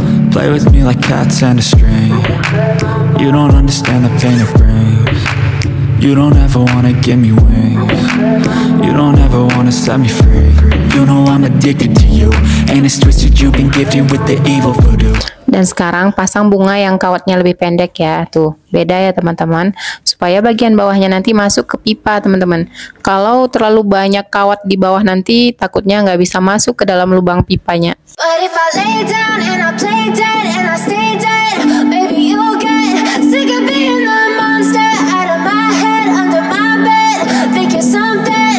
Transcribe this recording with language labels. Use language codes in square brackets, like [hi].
[en] Play with me like cats and a string. You don't understand the pain it brings. You don't ever wanna give me wings. You don't ever wanna set me free. You know I'm addicted to you. And it's twisted, you've been gifted with the evil voodoo. [id] Dan sekarang pasang bunga yang kawatnya lebih pendek ya. Tuh, beda ya teman-teman. Supaya bagian bawahnya nanti masuk ke pipa teman-teman. Kalau terlalu banyak kawat di bawah nanti, takutnya nggak bisa masuk ke dalam lubang pipanya. [en] But if I lay down and I play dead and I stay dead, baby you'll get sick of being the monster out of my head, under my bed, think you're something.